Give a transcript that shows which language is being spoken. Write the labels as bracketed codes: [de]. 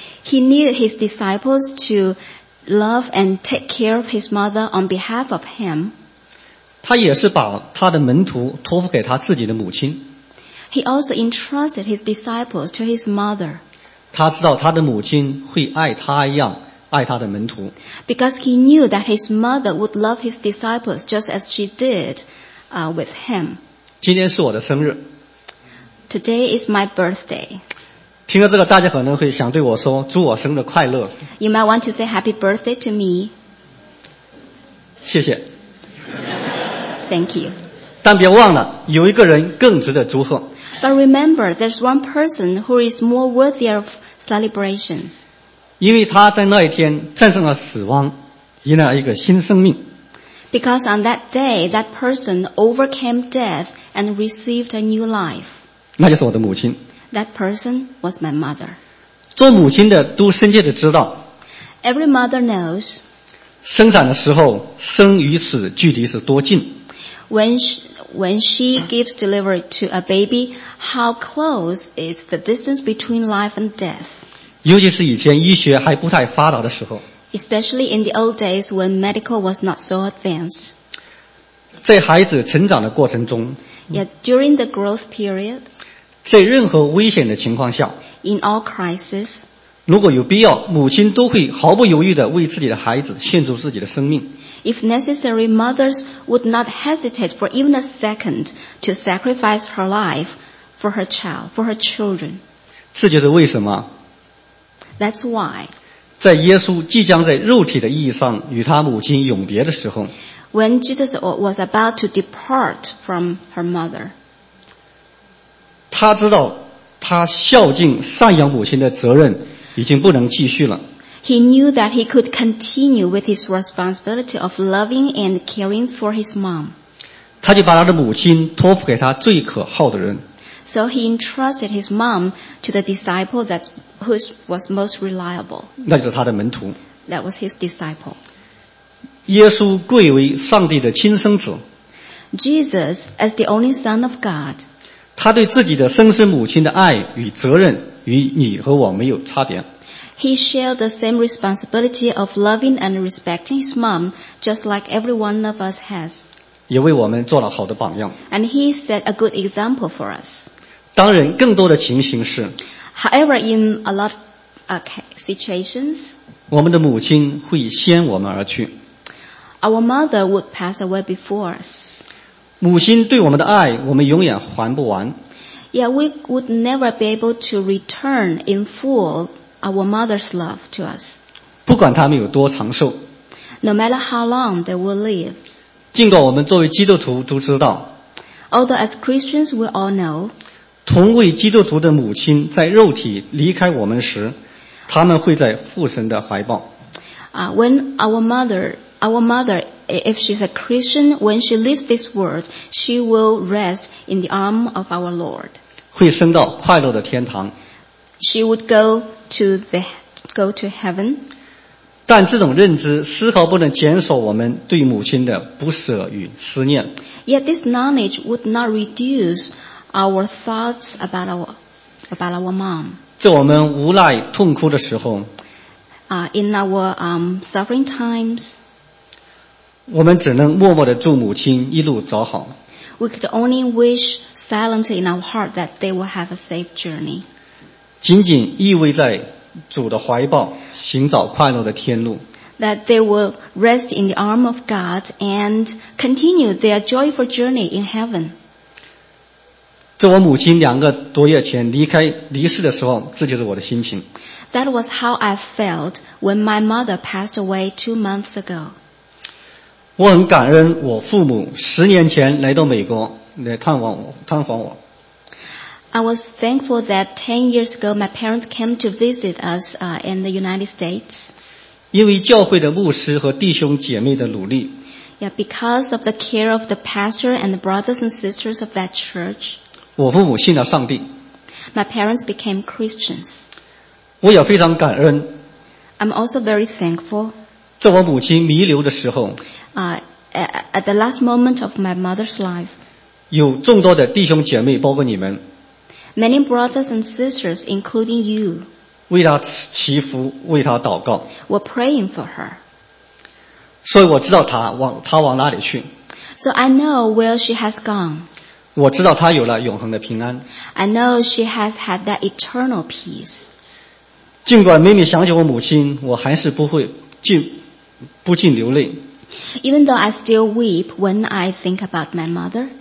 [en] he needed his disciples to love and take care of his mother on behalf of him. [zh] 他也是把他的门徒托付给他自己的母亲。 [en] He also entrusted his disciples to his mother. [zh] 他知道他的母亲会爱他一样爱他的门徒。 [en] Because he knew that his mother would love his disciples just as she did, with him. [zh] 今天是我的生日。 [en] Today is my birthday. [zh] 听了这个，大家可能会想对我说：“祝我生日快乐。” [en] You might want to say happy birthday to me. [zh] 谢谢。 [en] Thank you. [zh] 但别忘了，有一个人更值得祝贺。 [en] But remember, there's one person who is more worthy of celebrations. [zh] 因为他在那一天战胜了死亡，迎来了一个新生命。 [en] Because on that day, that person overcame death and received a new life. [zh] 那就是我的母亲。 [en] That person was my mother. [zh] 做母亲的都深切地知道。 [en] Every mother knows. [zh] 生产的时候，生与死距离是多近？ [en] When she gives delivery to a baby, how close is the distance between life and death? [zh] 尤其是以前医学还不太发达的时候。 [en] Especially in the old days when medical was not so advanced. [zh] 在孩子成长的过程中。 [en] Yet during the growth period. [zh] 在任何危险的情况下。 [en] In all crises. [zh] 如果有必要，母亲都会毫不犹豫地为自己的孩子献出自己的生命。 [en] If necessary, mothers would not hesitate for even a second to sacrifice her life for her child, for her children. [zh] 这就是为什么。 [en] That's why. [zh] 在耶稣即将在肉体的意义上与他母亲永别的时候。 [en] When Jesus was about to depart from her mother. [zh] 他知道他孝敬赡养母亲的责任已经不能继续了。 [en] He knew that he could continue with his responsibility of loving and caring for his mom. [zh] 他就把他的母亲托付给他最可靠的人。 [en] So he entrusted his mom to the disciple that who was most reliable. [zh] 那就是他的门徒。 [en] That was his disciple. [zh] 耶稣贵为上帝的亲生子。 [en] Jesus as the only son of God. [zh] 他对自己的生身母亲的爱与责任与你和我没有差别。 [en] He shared the same responsibility of loving and respecting his mom, just like every one of us has. [zh] 也为我们做了好的榜样。 [en] And he set a good example for us. [zh] 当然，更多的情形是。 [en] However, in a lot of situations, [zh] 我们的母亲会先我们而去。 [en] Our mother would pass away before us. [zh] 母亲对我们的爱，我们永远还不完。 [en] Yet we would never be able to return in full. Our mother's love to us. [zh] 不管他们有多长寿。 [en] No matter how long they will live. [zh] 尽管我们作为基督徒都知道。 [en] Although as Christians we all know. [zh] 同为基督徒的母亲在肉体离开我们时，他们会在父神的怀抱。 [en] When our mother, if she's a Christian, when she leaves this world, she will rest in the arm of our Lord. [zh] 会升到快乐的天堂。 [en] She would go to heaven. [zh] 但这种认知丝毫不能减少我们对母亲的不舍与思念。 [en] Yet this knowledge would not reduce our thoughts about our mom. [zh] 在我们无奈痛哭的时候。 [en] In our suffering times. [zh] 我们只能默默地祝母亲一路走好。 [en] We could only wish silently in our heart that they will have a safe journey. [zh] 紧紧依偎在主的怀抱，寻找快乐的天路。 [en] That they will rest in the arm of God and continue their joyful journey in heaven. [zh] 在我母亲两个多月前离世的时候，这就是我的心情。 [en] That was how I felt when my mother passed away 2 months ago. [zh] 我很感恩我父母十年前来到美国来探访我。 [en] I was thankful that 10 years ago my parents came to visit us in the United States. [zh] 因为教会的牧师和弟兄姐妹的努力。 [en] Yeah, because of the care of the pastor and the brothers and sisters of that church. [zh] 我父母信了上帝。 [en] My parents became Christians. [zh] 我也非常感恩。 [en] I'm also very thankful. [zh] 在我母亲弥留的时候。 [en] At the last moment of my mother's life. [zh] 有众多的弟兄姐妹包括你们。 [en] Many brothers and sisters, including you, [zh] 为他祈福，为他祷告。 [en] We're praying for her. [zh] 所以我知道他往哪里去。 [en] So I know where she has gone. [zh] 我知道他有了永恒的平安。 [en] I know she has had that eternal peace. [zh] 尽管每每想起我母亲，我还是不禁流泪。 [en] Even though I still weep when I think about my mother.